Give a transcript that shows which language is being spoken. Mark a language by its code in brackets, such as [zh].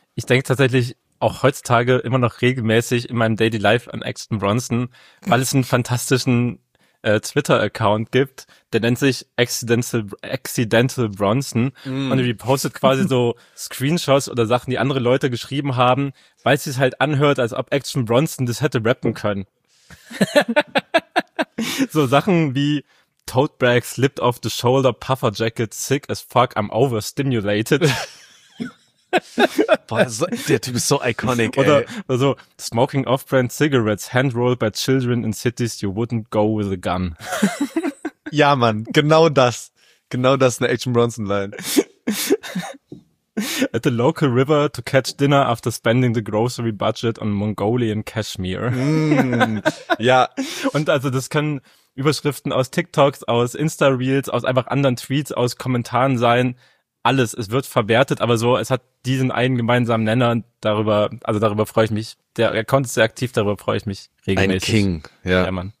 [de] Ich denke tatsächlich auch heutzutage immer noch regelmäßig in meinem Daily Life an Action Bronson, weil es einen fantastischen Twitter-Account gibt, der nennt sich Accidental Bronson und repostet quasi so Screenshots oder Sachen, die andere Leute geschrieben haben, weil sie es halt anhört, als ob Action Bronson das hätte rappen können. So Sachen wie [en] Tote Bag slipped off the shoulder, puffer jacket, sick as fuck, I'm overstimulated. [de] Boah, der Typ ist so iconic, oder, ey. [en] Also, smoking off-brand cigarettes, hand-rolled by children in cities you wouldn't go with a gun. [de] Ja, Mann, genau das. Genau das, eine Action Bronson Line. [en] At the local river to catch dinner after spending the grocery budget on Mongolian cashmere. [de] Ja. Und also, das können Überschriften aus TikToks, aus Insta-Reels, aus einfach anderen Tweets, aus Kommentaren sein. Alles, es wird verwertet, aber so, es hat diesen einen gemeinsamen Nenner, darüber freue ich mich, der Account ist sehr aktiv, darüber freue ich mich regelmäßig. Ein King, ja, ja, Mann.